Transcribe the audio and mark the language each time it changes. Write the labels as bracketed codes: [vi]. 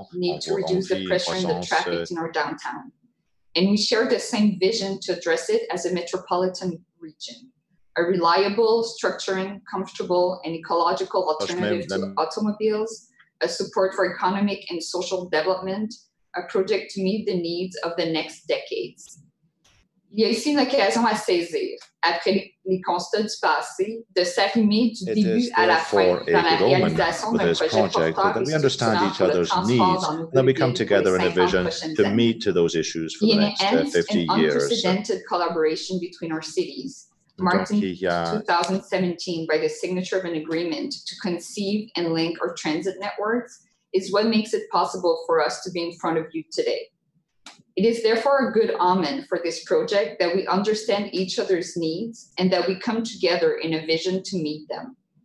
[en] Need to reduce the pressure and the traffic in our downtown. And we share the same vision to address it as a metropolitan region, a reliable, structuring, comfortable, and ecological alternative to automobiles, a support for economic and social development, a project to meet the needs of the next decades. [fr] Il y a ici une occasion à saisir, après les constats du passé, de s'arrimer du début à la fin dans la réalisation d'un projet porteur et structurant pour le transport dans nos villes pour les 50 prochaines années. Il y a une intense [en] et unprecedented collaboration between our cities, marked in 2017 by the signature of an agreement to conceive and link our transit networks, is what makes it possible for us to be in front of you today. It is therefore a good omen for this project that we understand each other's needs and that we come together in a vision to meet them.